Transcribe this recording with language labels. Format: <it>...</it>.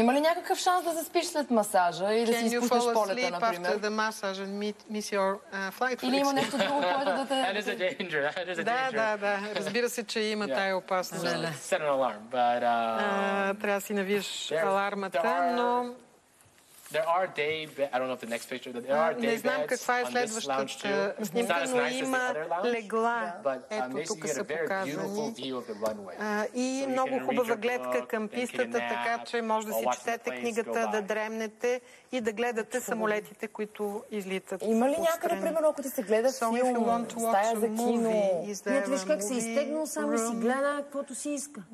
<bg>Има ли някакъв шанс да заспиш след масажа и да си изпуснеш полета, например?</bg> <en>After the massage and miss your flight.</en> <bg>Или има нещо друго, което да те... Да. Разбира се, че има тая опасност.</bg> <en>Set an alarm, but...</en> <bg>Трябва да си навиеш алармата, но...</bg> <en>There are day beds. I don't know if the next picture. But there are day beds on this lounge too. It's not as nice as the other lounge. But basically, you get a very beautiful view of the runway.</en> <bg>И много хубава гледка към пистата, така че може да си четете книгата, да дремнете и да гледате самолетите, които излитат. Има ли някъде, примерно, ако ти се гледа филм, стая за кино? Ето виж как се изтегнал, само си гледа каквото си иска.</bg>